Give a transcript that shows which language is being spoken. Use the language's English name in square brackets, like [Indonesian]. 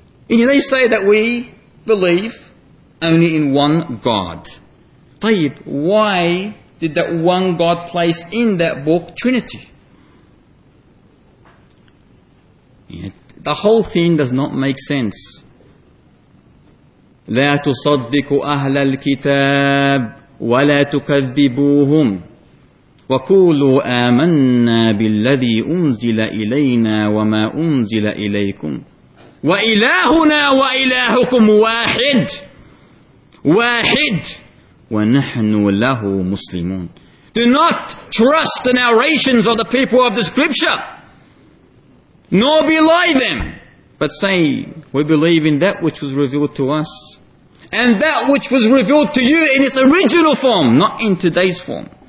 [English] And they say that we believe only in one God. Tayyib, why did that one God place in that book Trinity? The whole thing does not make sense. [Arabic] لا تصدقوا أهل الكتاب ولا تكذبوهم وقولوا آمنا بالذي أنزل إلينا وما أنزل إليكم وإلهنا وإلهكم واحد واحد ونحن له مسلمون. [English] Do not trust the narrations of the people of the scripture, nor belie them, but say, we believe in that which was revealed to us, and that which was revealed to you in its original form, not in today's form.